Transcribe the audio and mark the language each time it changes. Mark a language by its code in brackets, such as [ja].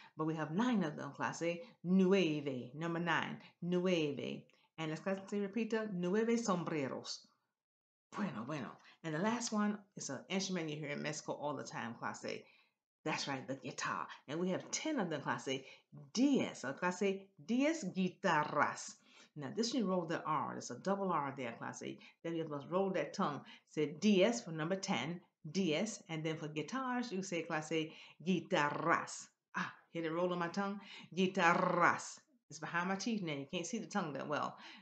[en] But we have nine of them, clase. Nueve. Number nine. Nueve. And let's [es] clase repita. Nueve sombreros. Bueno, bueno. [en] And the last one is an instrument you hear in Mexico all the time, clase. That's right, the guitar. And we have 10 of them, clase. [es] Diez. So clase, diez guitarras. [en] Now, this one, you roll the R. There's a double R there, clase. Then you must roll that tongue. Say diez for number 10, diez. And then for guitars, you say, clase, guitarras. Ah, hear the roll on my tongue? Guitarras. It's behind my teeth now. You can't see the tongue that well.